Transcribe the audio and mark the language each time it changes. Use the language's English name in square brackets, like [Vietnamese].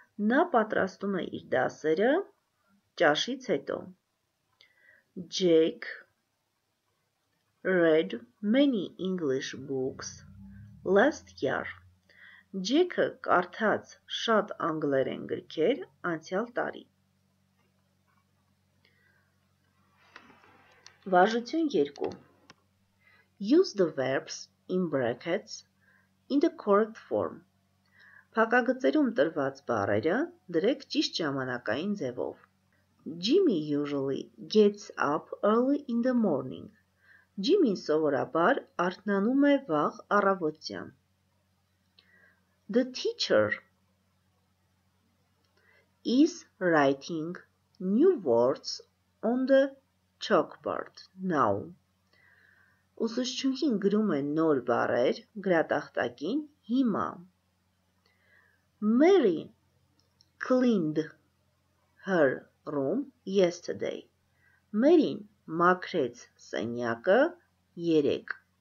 [Armenian] Նա պատրաստում է իր դասերը ճաշից հետո։ [English] Jake read many English books last year. [Armenian] Jake-ը կարդաց շատ անգլերեն գրքեր անցյալ տարի։ Վարժություն 2. [English] Use the verbs in brackets in the correct form. [Armenian] Փակագծերում տրված բառերը դրեք ճիշտ ժամանակային ձևով. [English] Jimmy usually gets up early in the morning. [Armenian] Jimmy-ն սովորաբար արթնանում է վաղ առավոտյան. [English] The teacher is writing new words on the chalkboard now. [Armenian] Ուսուցչուհին գրում է նոր բառեր գրատախտակին հիմա։ [English] Mary cleaned her room yesterday. [Armenian] Մերին մաքրեց սենյակը 3.